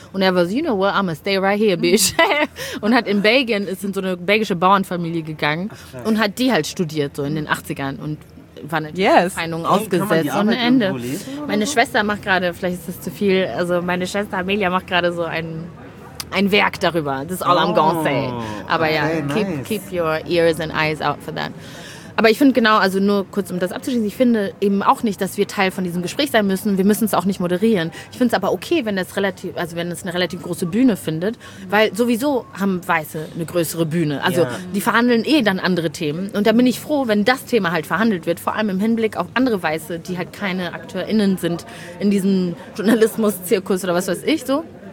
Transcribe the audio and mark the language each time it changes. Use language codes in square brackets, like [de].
[de] Und er war so, [en] you know what, I'm gonna stay right here, bitch. [de] Und hat in Belgien, ist in so eine belgische Bauernfamilie gegangen und hat die halt studiert, so in den 80ern. Und war eine Feindung ausgesetzt. Und ein Ende. Meine Schwester macht gerade, vielleicht ist das zu viel, also meine Schwester Amelia macht gerade so ein Werk darüber. [en] This is all I'm gonna say. [de] Aber okay, ja, [en] keep your ears and eyes out for that. [de] Aber ich finde genau, also nur kurz, um das abzuschließen, ich finde eben auch nicht, dass wir Teil von diesem Gespräch sein müssen. Wir müssen es auch nicht moderieren. Ich finde es aber okay, wenn es eine relativ große Bühne findet, weil sowieso haben Weiße eine größere Bühne. Also die verhandeln eh dann andere Themen. Und da bin ich froh, wenn das Thema halt verhandelt wird, vor allem im Hinblick auf andere Weiße, die halt keine AkteurInnen sind in diesem Journalismus-Zirkus oder was weiß ich so.